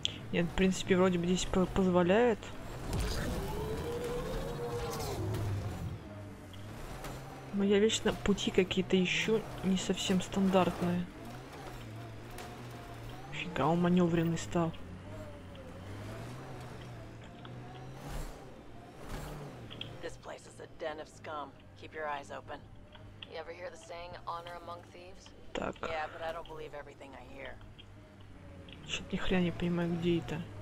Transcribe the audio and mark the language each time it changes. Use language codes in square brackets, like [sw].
[ru] Нет, в принципе, вроде бы здесь позволяет. Но я вечно пути какие-то ищу, не совсем стандартные. Фига, он маневренный стал. [en] This place is a den of scum. Keep your eyes open. You ever hear the saying honor among thieves? [ru] Так. [en] Yeah, but I don't believe everything I hear. [ru] Чё-то ни хрена не понимаю, где это.